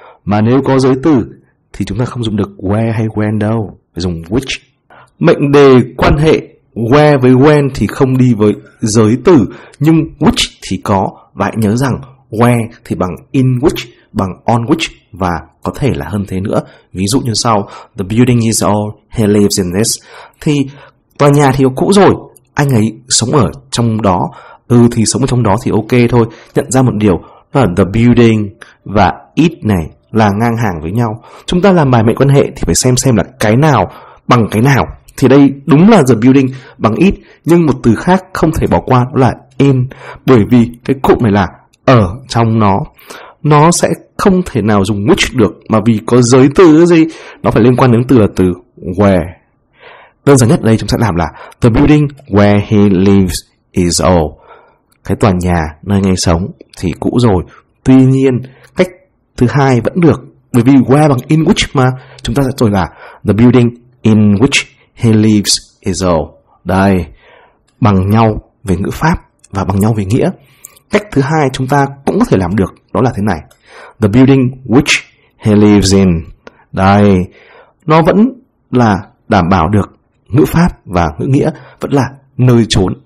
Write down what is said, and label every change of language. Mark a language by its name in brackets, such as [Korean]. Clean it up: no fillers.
[Vietnamese] Mà nếu có giới từ thì chúng ta không dùng được where hay when đâu, phải dùng which. Mệnh đề quan hệ where với when thì không đi với giới từ, nhưng which thì có. Và hãy nhớ rằng where thì bằng in which, bằng on which, và có thể là hơn thế nữa. Ví dụ như sau: [English] the building is old, he lives in this. [Vietnamese] Thì tòa nhà thì cũ rồi, anh ấy sống ở trong đó. Ừ thì sống ở trong đó thì ok thôi. Nhận ra một điều là the building và it này là ngang hàng với nhau. Chúng ta làm bài mệnh quan hệ thì phải xem là cái nào bằng cái nào. Thì đây đúng là the building bằng it, nhưng một từ khác không thể bỏ qua đó là in, bởi vì cái cụm này là ở trong nó. Nó sẽ không thể nào dùng which được, mà vì có giới từ gì, nó phải liên quan đến từ là từ where. Đơn giản nhất đây chúng sẽ làm là [English] the building where he lives is old. [Vietnamese] Cái tòa nhà nơi anh ấy sống thì cũ rồi. Tuy nhiên cách thứ hai vẫn được, bởi vì where bằng in which mà. Chúng ta sẽ rồi là [English] the building in which he lives is old. [Vietnamese] Đây, bằng nhau về ngữ pháp và bằng nhau về nghĩa. Cách thứ hai chúng ta cũng có thể làm được đó là thế này: [English] the building which he lives in. [Vietnamese] Đây, nó vẫn là đảm bảo được ngữ pháp và ngữ nghĩa, vẫn là nơi chốn.